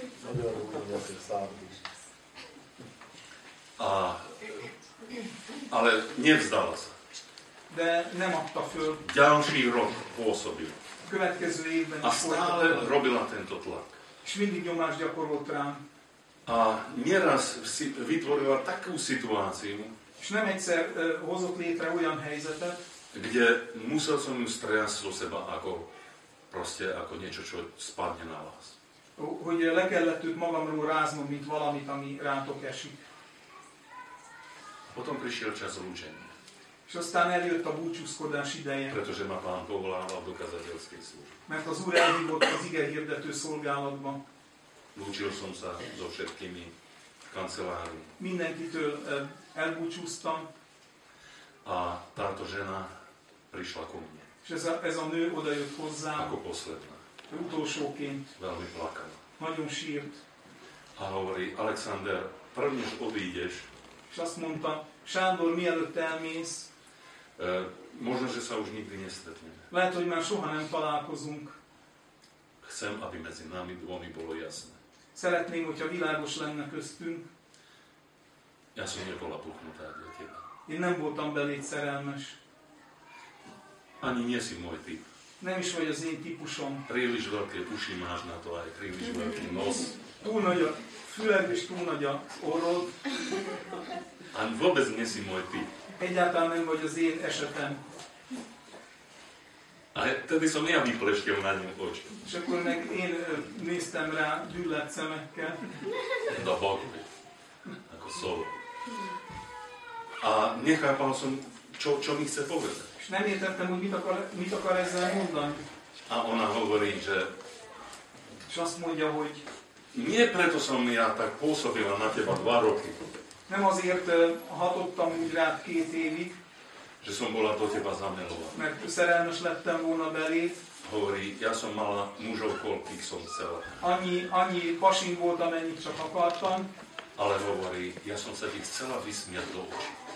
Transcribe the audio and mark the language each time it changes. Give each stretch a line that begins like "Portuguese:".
Hungarian: Nagyon rúgódja a számot is.
Slovak: Ale nevzdala sa.
Hungarian: De nem adta föl.
Slovak: Ďalší rok pôsobil.
Hungarian: Következő évben
Slovak: a stále robila tento tlak.
Hungarian: És mindig nyomást gyakorolt rám.
Slovak: A nieraz vytvorila takú situáciu,
Hungarian: és nem egyszer hozott létre olyan helyzetet,
Slovak: kde musel som ju strejať zo seba ako proste ako niečo, čo spadne na vás.
Hungarian: Hogy le kellett őt magamról ráznom, mint valamit, ami rántok esik.
Slovak: Potom prišiel čas lúčenia.
Hungarian: És aztán eljött a búcsúszkodás ideje.
Slovak: Pretože ma pán povoláva do kazateľskej služby.
Hungarian: Mert az Úr elhívott az ige hirdető szolgálatban.
Slovak: Lúčil som sa so všetkými kancelári.
Hungarian: Mindenkitől elbúcsúztam.
Slovak: A táto žena prišla ku mne.
Hungarian: És ez a nő odajött hozzám.
Slovak: Ako posledná.
Hungarian: Utolsóként.
Slovak: Veľmi plakala.
Hungarian: Nagyon sírt.
Slovak: A hovorí, Alexander, prvnež odídeš.
Hungarian: És azt mondta, Sándor, mielőtt elmész.
Slovak: Možno, že sa už nikdy nestretneme.
Hungarian: Lehet, hogy már soha nem találkozunk.
Slovak: Chcem, aby medzi nami dvomi bolo jasné.
Hungarian: Szeretném, hogyha világos lenne köztünk.
Slovak: Ja som nebola puknutá do teba.
Hungarian: Én nem voltam beléd szerelmes.
Slovak: Ani nie si môj typ.
Hungarian: Nem is vagy az én típusom.
Slovak: Príliš veľké uši máš na to, aj príliš veľký nos.
Hungarian: Túl nagy a füled és túl nagy a orrod.
Slovak: Ani vôbec nie si môj typ.
Hungarian: Egyáltalán nem vagy az én esetem.
Slovak: A tedy som ja vypleštil na ňu oči.
Hungarian: És akkor meg én néztem rá gyűlölt szemekkel. Na bagoly. Ako szóval.
Slovak: A nechápal som, čo mi chce povedať.
Hungarian: És nem értettem, hogy mit akar ezzel mondani.
Slovak: A ona hovorí, že...
Hungarian: És azt mondja, hogy...
Slovak: Nie preto som ja tak pôsobila na teba 2 roky.
Hungarian: Nem azért hatottam úgy rád 2 évig.
Slovak: Že som bola do teba zamilovaná.
Hungarian: Mert szerelmes lettem volna beléd.
Slovak: Hovorí, ja som mala mužov, koľkých som chcela.
Hungarian: Annyi pasin volt, amennyit csak akartam.
Slovak: Ale hovorí, ja som sa ti chcela vysmiať do očí.